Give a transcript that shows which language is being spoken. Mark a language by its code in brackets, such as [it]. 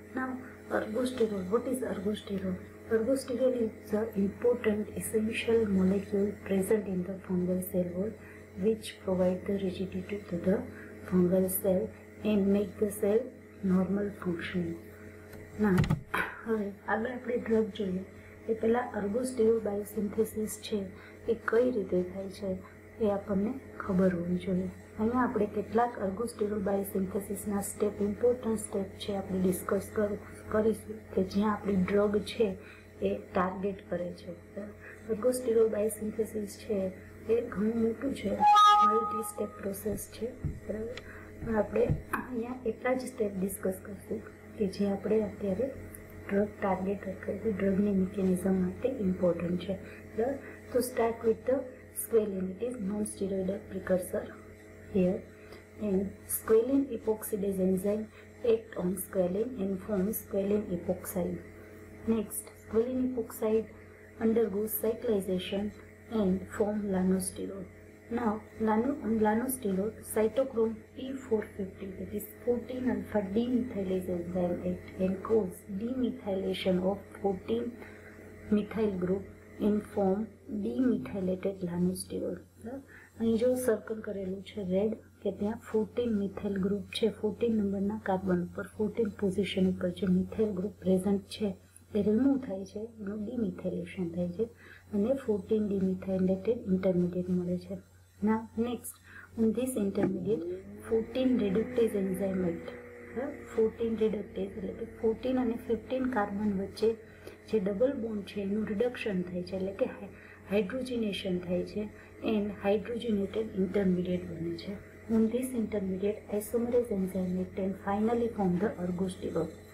[en] Now, ergosterol, what is ergosterol? Ergosterol is the important essential molecule present in the fungal cell wall which provide the rigidity to the fungal cell and make the cell normal function. [gu] Now, હવે આગળ આપણે drug જોઈએ કે પહેલા અર્ગોસ્ટેરોલ બાયોસિન્થેસિસ છે એ કઈ રીતે થાય છે એ આપણને ખબર હોવી જોઈએ. અહીંયા આપણે કેટલાક અર્ગોસ્ટેરોલ બાયોસિન્થેસિસના સ્ટેપ, ઇમ્પોર્ટન્ટ સ્ટેપ છે, આપણે ડિસ્કસ કરીશું કે જ્યાં આપણી ડ્રગ છે એ ટાર્ગેટ કરે છે. અર્ગોસ્ટેરોલ બાયોસિન્થેસિસ છે એ ઘણું મોટું છે, મલ્ટી સ્ટેપ પ્રોસેસ છે. બરાબર, પણ આપણે અહીંયા એટલા જ સ્ટેપ ડિસ્કસ કરશું કે જે આપણે અત્યારે ડ્રગ ટાર્ગેટ કરીએ, ડ્રગની મિકેનિઝમ માટે ઇમ્પોર્ટન્ટ છે. બરાબર, તો [en] Start with the squalene, it is non steroidal precursor here. And squalene epoxidase enzyme act on squalene and form squalene epoxide. Next, squalene epoxide undergo cyclization and form lanosterol. Now, lanosterol, cytochrome P450, that is 14 alpha demethylase enzyme act, encodes demethylation of 14 methyl group in form demethylated lanosterol. [gu] અહીં જો circle કરેલું છે red, કે ત્યાં 14 methyl group છે, 14 નંબરના carbon ઉપર 14 position ઉપર જે મિથાઇલ ગ્રુપ પ્રેઝન્ટ છે એ રિમૂવ થાય છે, એનું ડીમિથાઇલેશન થાય છે અને 14 ડીમિથાઇલેટેડ ઇન્ટરમિડિયેટ મળે છે. [en] Now, next, on this intermediate, 14 reductase enzyme act. [gu] 14 reductase, એટલે કે 14 અને 15 કાર્બન વચ્ચે જે ડબલ બોન્ડ છે એનું રિડક્શન થાય છે, એટલે કે હાઇડ્રોજિનેશન થાય છે એન્ડ હાઇડ્રોજિનેટેડ ઇન્ટરમિડિયેટ બને છે. [en] On this intermediate isomerase enzyme act and finally form the ergosterol.